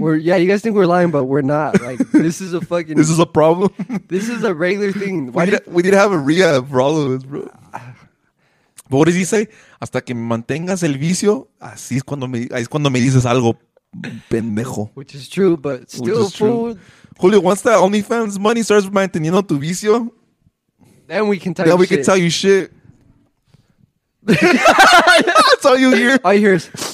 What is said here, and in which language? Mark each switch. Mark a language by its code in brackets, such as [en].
[en] You guys think we're lying, but we're not. Like, this is a fucking... This is a problem? This is a regular thing. We need to have a rehab for all of us, bro. But what does he say? [es] Hasta que mantengas el vicio, así es cuando me dices algo, pendejo. [en] Which is true, but still, fool. Julio, once that OnlyFans money starts manteniendo tu vicio... Then we can tell you shit. That's all you hear. All you hear is...